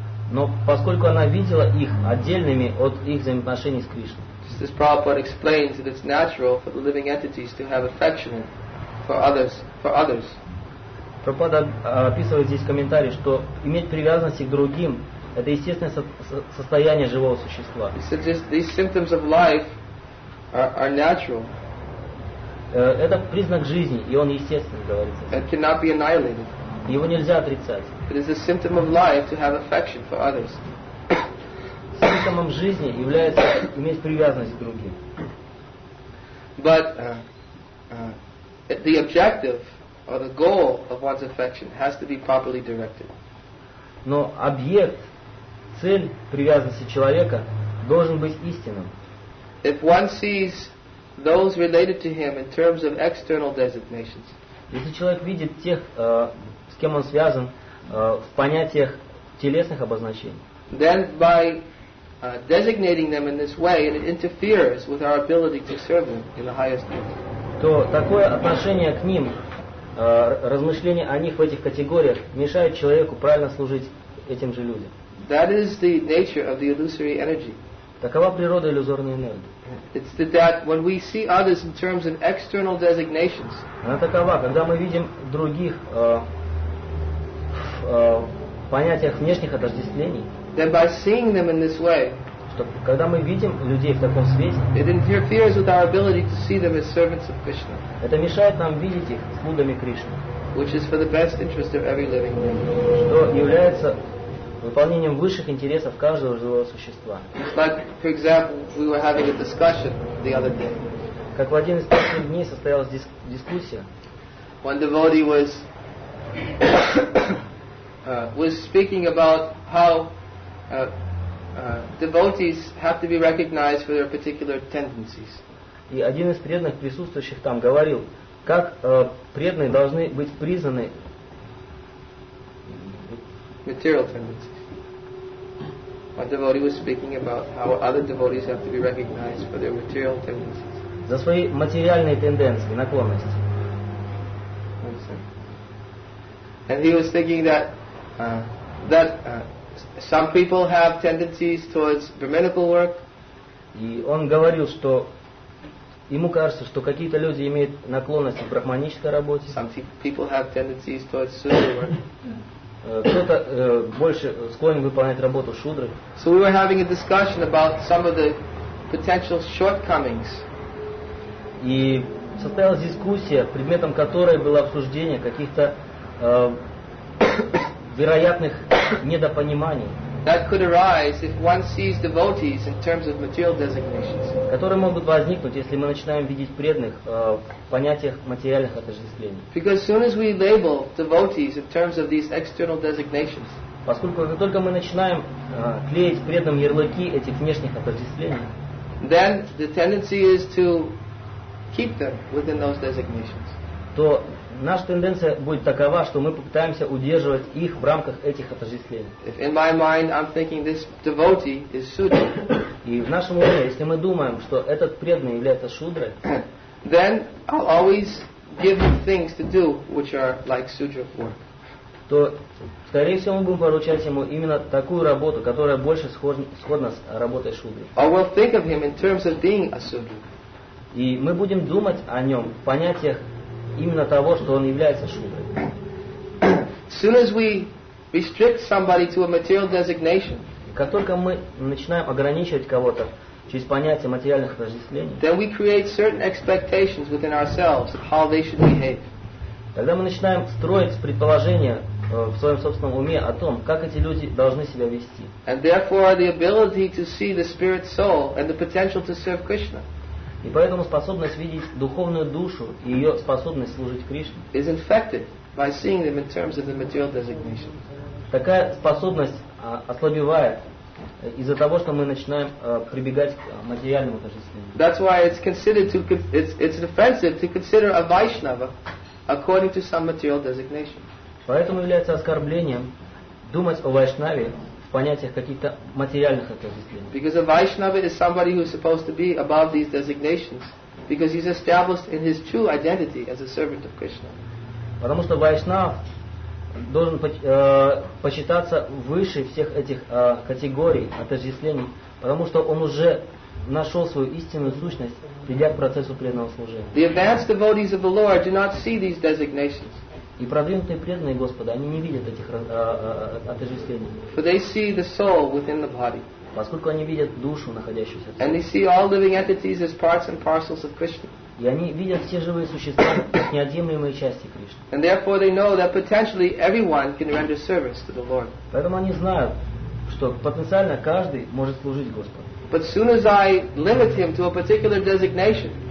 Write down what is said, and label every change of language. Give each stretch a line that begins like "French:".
Russian: Но поскольку она видела их отдельными от их взаимоотношений с Кришной.
English: Just as Prabhupada explains that it's natural for the living entities to have affection for others.
Russian: Прабхупада описывает здесь комментарий, что иметь привязанности к другим – это естественное состояние живого существа.
English: These symptoms of life are natural.
Russian: Это признак жизни, и он естественный, говорится.
English: It cannot be annihilated.
Russian: Его нельзя отрицать.
English: It is a symptom of life to have affection for others.
Russian: Симптомом жизни является иметь привязанность к другим.
English: But the objective or the goal of one's affection has to be properly directed.
Russian: Но объект, цель привязанности человека должен быть истинным.
English: If one sees those related to him in terms of external designations.
Russian: Если человек видит тех, с кем он связан, в понятиях телесных обозначений.
English: Then by designating them in this way, it interferes with our ability to serve them in the highest way.
Russian: То такое отношение к ним, размышление о них в этих категориях, мешает человеку правильно служить этим же людям.
English: That is the nature of the illusory energy.
Russian: Такова природа иллюзорной энергии.
English: It's that when we see others in terms of external designations.
Russian: Она такова, когда мы видим других в понятиях внешних отождествлений.
English: Then by seeing them in this way,
Russian: что когда мы видим людей в таком свете,
English: it interferes with our ability to see them as servants of Krishna.
Russian: Это мешает нам видеть их слугами Кришны.
English: Which is for the best interest of every living being.
Russian: Что является выполнением высших интересов каждого живого существа.
English: Like, for example, we were having a discussion the other day.
Russian: Как в один из последних дней состоялась дискуссия.
English: One devotee was was speaking about how devotees have to be recognized for their particular tendencies.
Russian: И один из преданных, присутствующих там, говорил, как преданные должны быть признаны
English: material tendencies. A devotee was speaking about how other devotees have to be recognized for their material tendencies.
Russian: За свои материальные тенденции, наклонности.
English: And he was thinking that that some people have tendencies towards brahminical work.
Russian: И он говорил, что ему кажется, что какие-то люди имеют наклонность к брахманической работе.
English: Some people have tendencies towards sutra work.
Russian: Кто-то больше склонен выполнять работу шудры.
English: So we were having a discussion about some of the potential shortcomings.
Russian: И состоялась дискуссия, предметом которой было обсуждение каких-то вероятных недопониманий.
English: That could arise if one sees devotees in terms of material designations.
Russian: Которые могут возникнуть, если мы начинаем видеть преданных в понятиях материальных отождествлений.
English: Because as soon as we label devotees in terms of these external designations.
Russian: Поскольку как только мы начинаем клеить преданным ярлыки этих внешних отождествлений,
English: then the tendency is to keep them within those designations.
Russian: То наша тенденция будет такова, что мы попытаемся удерживать их в рамках этих отождествлений.
English: If in my mind I'm thinking this devotee is sudra.
Russian: И в нашем уме, если мы думаем, что этот преданный является шудрой,
English: then I'll always give him things to do which are like sudra work.
Russian: То, скорее всего, мы будем поручать ему именно такую работу, которая больше сходна с работой шудры.
English: Or we'll think of him in terms of being a sudra.
Russian: И мы будем думать о нем в понятиях именно того, что он является шудрой.
English: As soon as we restrict somebody to a material designation,
Russian: как только мы начинаем ограничивать кого-то через понятие материальных отождествлений,
English: then we create certain expectations within ourselves of how they should behave.
Russian: Тогда мы начинаем строить предположения в своем собственном уме о том, как эти люди должны себя вести.
English: And therefore the ability to see the spirit soul and the potential to serve Krishna.
Russian: И поэтому способность видеть духовную душу и ее способность служить Кришне
English: is infected by seeing them in terms of the material designation.
Russian: Такая способность ослабевает из-за того, что мы начинаем прибегать к материальному отождествлению.
English: That's why it's considered to it's offensive to consider a Vaishnava according to some material designation.
Russian: Поэтому является оскорблением думать о Вайшнаве в понятиях каких-то материальных отождествлений.
English: Because a Vaishnava is somebody who is supposed to be above these designations, because he's established in his true identity as a servant of Krishna.
Russian: Потому что Вайшнав должен почитаться выше всех этих категорий отождествлений, потому что он уже нашел свою истинную сущность, придя к процессу преданного служения.
English: The advanced devotees of the Lord do not see these designations.
Russian: И продвинутые преданные Господа, они не видят этих отождествлений.
English: For they see the soul within the body.
Russian: Поскольку они видят душу, находящуюся в теле.
English: And they see all living entities as parts and parcels of Krishna.
Russian: И они видят все живые существа как неотъемлемые части Кришны.
English: And therefore they know that potentially everyone can render service to the Lord.
Russian: Поэтому они знают, что потенциально каждый может служить Господу.
English: But soon as I limit him to a particular designation.